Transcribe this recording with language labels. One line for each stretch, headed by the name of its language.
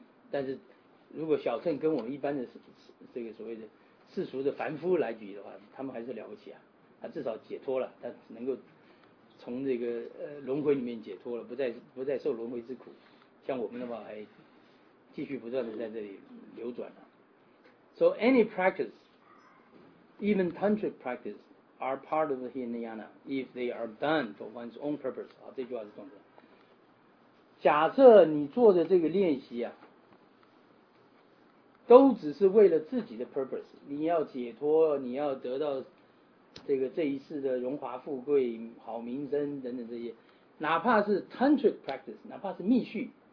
Chinese: 但是如果小乘跟我们一般的这个所谓的世俗的凡夫来比的话，他们还是了不起啊，他至少解脱了，他能够从这个轮回里面解脱了，不再受轮回之苦，像我们的话还继续不断的在这里流转了。
English: So any practice, even tantric practice, are part of the Hinayana if they are done for one's own purpose。
Chinese: 好，这句话是重点。假设你做的这个练习啊，都只是为了自己的 purpose， 你要解脱，你要得到这个这一世的荣华富贵好名声等等，这些哪怕是
English: tantric practice，
Chinese: 哪怕是密续，